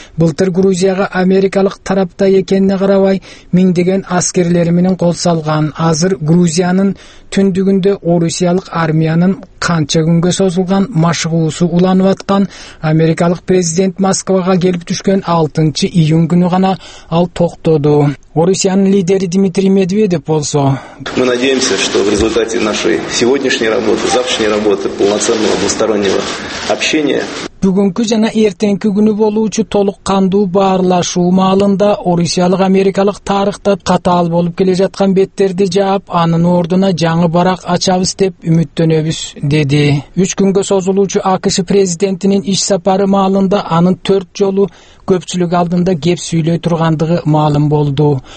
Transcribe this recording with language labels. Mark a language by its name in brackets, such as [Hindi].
[Kyrgyz] Былтыр Грузияга америкалык тарапта экенине карабай миңдеген аскерлери менен кол салган. Азыр Грузиянын түндүгүндө орусиялык армиянын канча күнгө созулган машыгуусу уланып аткан. Америкалык президент Москвага келип түшкөн 6 июнь күнү гана ал токтоду. Орусиянын лидери Дмитрий Медведев болсо: [Russian] «Мы надеемся, что в результате нашей сегодняшней работы, завтрашней работы, полноценного двустороннего общения...» [Kyrgyz] Бүгүнкү жана эртеңки күнү болуучу толук кандуу баарлашуу маалында орусиялык америкалык тарыхта катаал болуп келе жаткан беттерди жаап, анын ордуна жаңы барак ачабыз деп үмүттөнөбүз, деди. Үч күнгө созулуучу АКШ президентинин иш сапары маалында анын 4 көпчүлүк алдында кеп сүйлөй тургандыгы маалым болду.